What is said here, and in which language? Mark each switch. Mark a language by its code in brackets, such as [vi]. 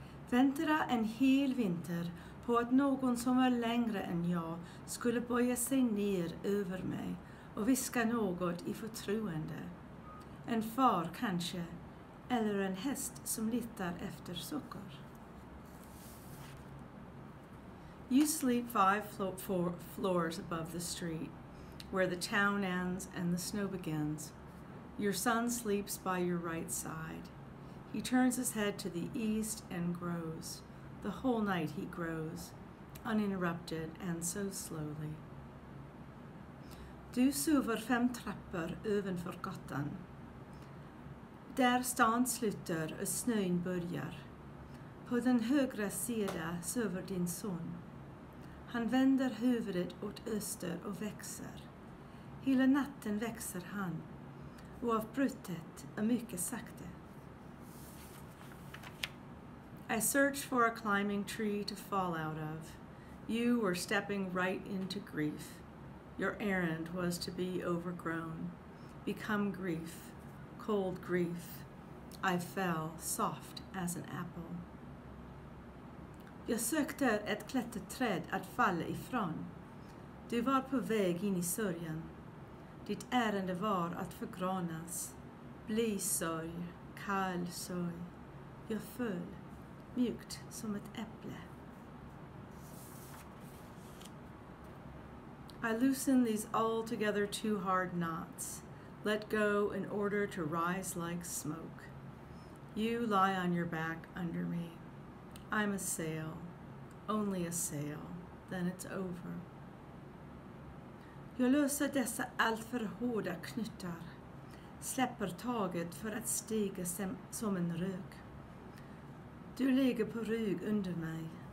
[sv] Väntade en hel vinter på att någon som var längre än jag skulle böja sig ner över mig och viska något i förtroende. En far kanske, eller en häst som litar efter socker. [en] You sleep five floors above the street, where the town ends and the snow begins. Your son sleeps by your right side. He turns his head to the east and grows. The whole night he grows, uninterrupted and so slowly. [sv] Du sover fem trappor ovanför gatan. Där stan slutar och snön börjar. På den högra sidan sover din son. Han vänder huvudet åt öster och växer. Hela natten växer han, oavbrutet och mycket sakta. [en] I search for a climbing tree to fall out of. You were stepping right into grief. Your errand was to be overgrown, become grief, cold grief. I fell soft as an apple. [sv] Jag sökte ett klätterträd att falla ifrån. Du var på väg in i sorgen. Ditt ärende var att förgrånas. Bli sorg, kall sorg. Jag föll. Mjukt som ett äpple. [en] I loosen these altogether too hard knots, let go in order to rise like smoke. You lie on your back under me. I'm a sail, only a sail, then it's over. [sv] Jag löser dessa alltför hårda knutar, släpper taget för att stiga som en rök. Du ligger på rygg under mig.